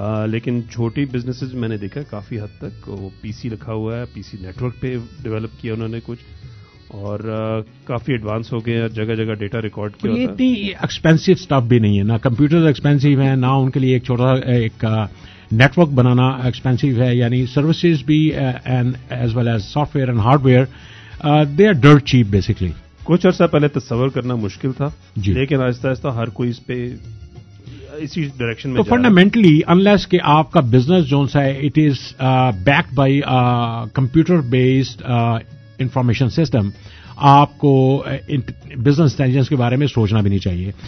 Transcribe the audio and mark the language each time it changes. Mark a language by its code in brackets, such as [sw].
[ur] لیکن چھوٹی بزنسز میں نے دیکھا کافی حد تک وہ پی سی رکھا ہوا ہے, پی سی نیٹورک پہ ڈیولپ کیا انہوں نے کچھ, اور کافی ایڈوانس ہو گئے, جگہ جگہ ڈیٹا ریکارڈ کیا. اتنی ایکسپینسو اسٹف بھی نہیں ہے, نہ کمپیوٹر ایکسپینسو ہیں, نہ ان کے لیے ایک چھوٹا ایک نیٹورک بنانا ایکسپینسو ہے. [en] یعنی سروسز بھی as well as software and hardware they are dirt cheap basically. [ur] کچھ عرصہ پہلے تصور کرنا مشکل تھا. جی, لیکن آہستہ آہستہ ہر کوئی اس پہ اسی ڈائریکشن میں. تو فنڈامینٹلی انلیس کہ آپ کا بزنس جون سا ہے [en] it is backed by computer based information system, [ur] آپ کو بزنس انٹیلیجنس کے بارے میں سوچنا بھی نہیں چاہیے.